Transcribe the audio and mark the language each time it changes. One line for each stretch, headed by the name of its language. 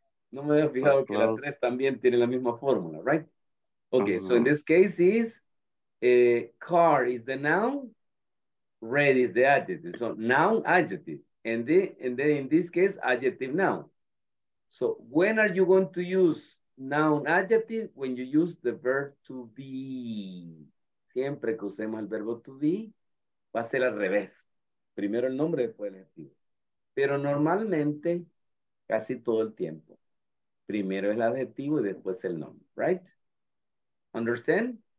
Spanish: No me había fijado que la tres también tiene la misma fórmula, right?
English: Okay, uh-huh. So in this case is car is the noun, red is the adjective. So noun, adjective. And then in this case, adjective noun. So when are you going to use noun adjective? When you use the verb to be.
Spanish: Siempre que usemos el verbo to be, va a ser al revés. Primero el nombre, después el adjetivo. Pero normalmente, casi todo el tiempo. Primero el adjetivo y después el nombre, right?
English: Understand?